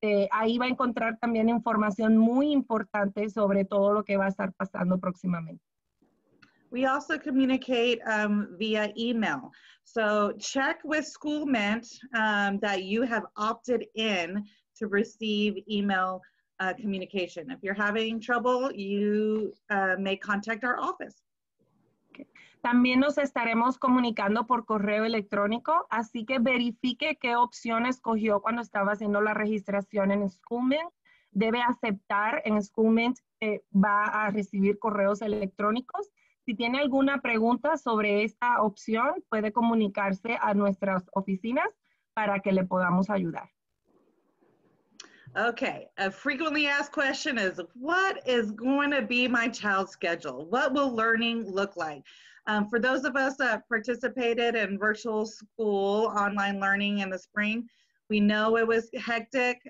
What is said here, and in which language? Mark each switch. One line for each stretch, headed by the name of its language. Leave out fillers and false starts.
Spanish: Ahí va a encontrar también información muy importante sobre todo lo que va a estar pasando próximamente.
English: We also communicate via email. So check with SchoolMint that you have opted in to receive email communication. If you're having trouble, you may contact our office. Okay.
Spanish: También nos estaremos comunicando por correo electrónico, así que verifique qué opción escogió cuando estaba haciendo la registración en SchoolMint. Debe aceptar en SchoolMint que va a recibir correos electrónicos. Si tiene alguna pregunta sobre esta opción, puede comunicarse a nuestras oficinas para que le podamos ayudar.
English: Okay, a frequently asked question is, what is going to be my child's schedule? What will learning look like? For those of us that participated in virtual school online learning in the spring, we know it was hectic.